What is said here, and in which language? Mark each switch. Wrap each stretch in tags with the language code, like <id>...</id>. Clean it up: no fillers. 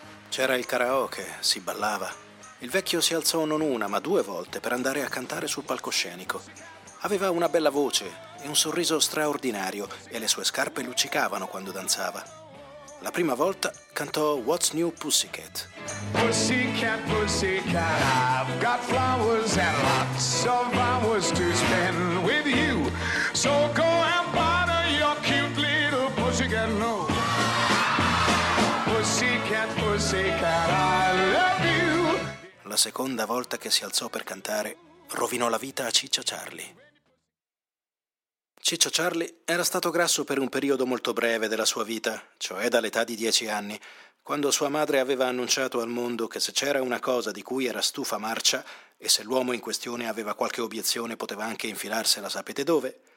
<it>C'era il karaoke, si ballava. Il vecchio si alzò non una ma due volte per andare a cantare sul palcoscenico. Aveva una bella voce e un sorriso straordinario e le sue scarpe luccicavano quando danzava. La prima volta cantò What's New Pussycat.</it> <en>Pussycat, pussycat, I've got flowers and lots of hours to spend with you. So go and bother your cute little pussycat, no. Pussycat, pussycat, I love you.</en> <it>La seconda volta che si alzò per cantare rovinò la vita a Ciccio Charlie. Ciccio Charlie era stato grasso per un periodo molto breve della sua vita, cioè dall'età di 10 anni, quando sua madre aveva annunciato al mondo che se c'era una cosa di cui era stufa marcia, e se l'uomo in questione aveva qualche obiezione poteva anche infilarsela sapete dove,</it>